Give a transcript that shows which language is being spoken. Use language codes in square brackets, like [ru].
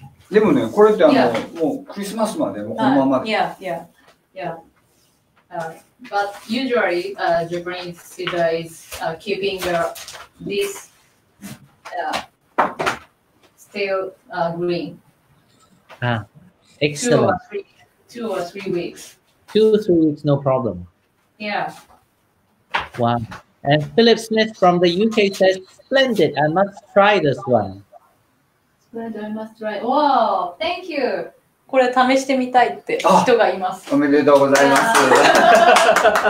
[ja] でもね、これってもうクリスマスまでこのままで。 [en] But usually, Japanese cedar is keeping this still green. Excellent. Two or three weeks, no problem. Yeah. Wow. And Philip Smith from the UK says, splendid, I must try this one. Wow, thank you. [ja] これ試してみたいって人がいます。おめでとうございます。